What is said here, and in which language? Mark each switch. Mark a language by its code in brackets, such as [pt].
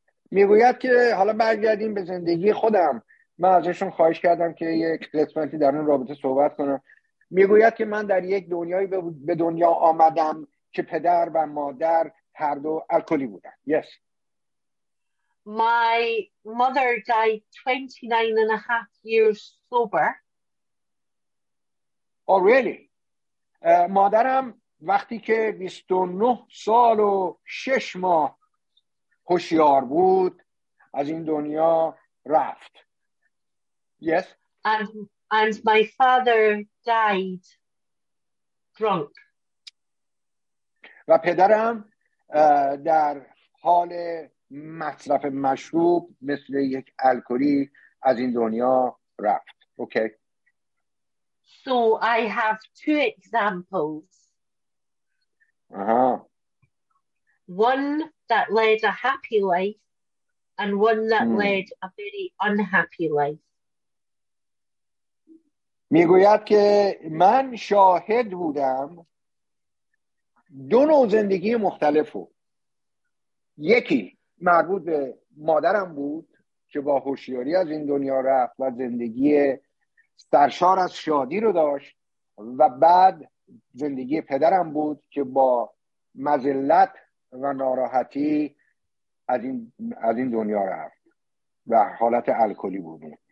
[fa] میگوید که حالا برگردیم به زندگی خودم. من ازشون خواهش کردم که یک قسمتی در اون رابطه صحبت کنم. میگوید که من در یک دنیایی به دنیا آمدم که پدر و مادر هر دو الکلی بودن. [en] Yes. My mother died 29 and a half years sober. Oh, really? [fa] مادرم وقتی که 29 سال و 6 ماه هوشیار بود از این دنیا رفت. [en] Yes? And my father died drunk. [fa] و پدرم در حال مصرف مشروب مثل یک الکلی از این دنیا رفت. اوکی. [en] So I have two examples. One that led a happy life and one that led a very unhappy life. [fa] میگوید که من شاهد بودم دو نوع زندگی مختلفو. یکی مربوط به مادرم بود که با هوشیاری از این دنیا رفت و زندگی سرشار از شادی رو داشت، و بعد زندگی پدرم بود که با مذلت و ناراحتی از این دنیا رفت و حالت الکلی بود.